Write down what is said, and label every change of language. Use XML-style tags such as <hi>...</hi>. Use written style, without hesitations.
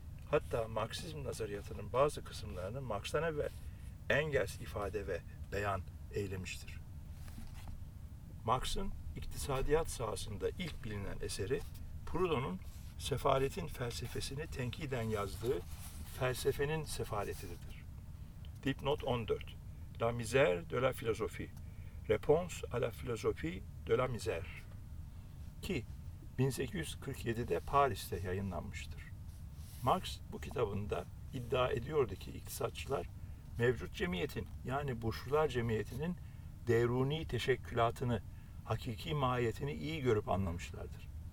<tr>Hatta Marksizm nazariyatının bazı kısımlarını Marx'tan evvel Engels ifade ve beyan eylemiştir. Marx'ın iktisadiyat sahasında ilk bilinen eseri, Proudhon'un sefaletin felsefesini tenkiden yazdığı Felsefenin Sefaletidir. Dipnot 14.</tr> <fr>La Misère de la Philosophie. Réponse à la Philosophie de la Misère.</fr> <tr>Ki 1847'de Paris'te yayınlanmıştır. Marx bu kitabında iddia ediyordu ki iktisatçılar mevcut cemiyetin yani burjuvazi cemiyetinin deruni teşekkülatını, hakiki mahiyetini iyi görüp anlamışlardır.</tr>